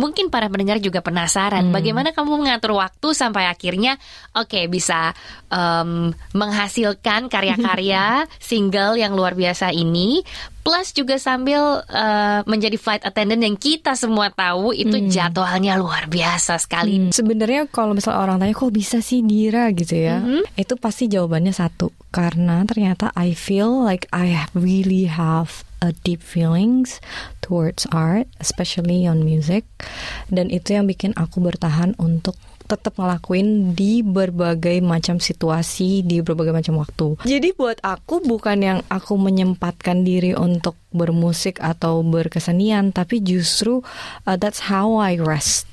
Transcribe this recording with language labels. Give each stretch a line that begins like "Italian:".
Indonesian: Mungkin para pendengar juga penasaran bagaimana kamu mengatur waktu sampai akhirnya bisa menghasilkan karya-karya single yang luar biasa ini. Plus juga sambil menjadi flight attendant yang kita semua tahu itu jadwalnya luar biasa sekali. Sebenarnya kalau misalnya orang tanya, kok bisa sih Dira gitu ya? Itu pasti jawabannya satu. Karena ternyata
English: I feel like I really have a deep feelings towards art, especially on music.
Indonesian: Dan itu yang bikin aku bertahan untuk tetap ngelakuin di berbagai macam situasi, di berbagai macam waktu. Jadi buat aku bukan yang aku menyempatkan diri untuk bermusik atau berkesenian, tapi justru
English: that's how I rest.